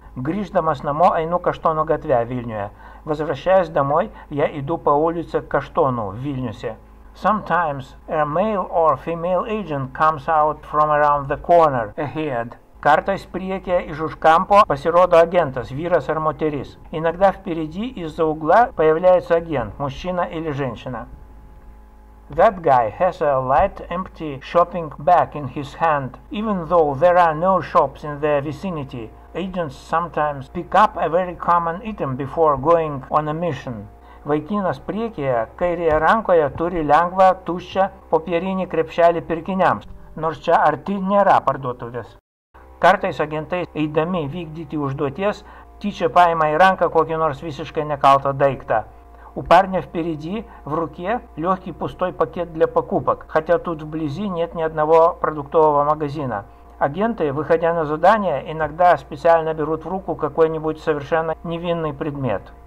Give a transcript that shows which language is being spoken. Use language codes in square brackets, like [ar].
[lt] Grįždamas namo, einu Kaštonų gatvę Vilniuje. [ru] Возвращаясь домой, я иду по улице Kaštonų Vilniuse. [en] Sometimes a male or female agent comes out from around the corner ahead. [lt] Kartais priekyje iš už kampo pasirodo agentas, vyras ar moteris. [ru] Иногда впереди из-за угла появляется агент, мужчина или женщина. [en] That guy has a light empty shopping bag in his hand. Even though there are no shops in the vicinity, agents sometimes pick up a very common item before going on a mission. [lt] Vaikinas priekyje, kairėje rankoje, turi lengvą, tuščią, popierinį krepšelį pirkiniams, nors čia arti nėra parduotuvės. Kartais agentai, eidami vykdyti užduoties, tyčia paima į ranką kokį nors visiškai nekaltą daiktą. [ru] У парня впереди, в руке, легкий пустой пакет для покупок, хотя тут вблизи нет ни одного продуктового магазина. Агенты, выходя на задание, иногда специально берут в руку какой-нибудь совершенно невинный предмет.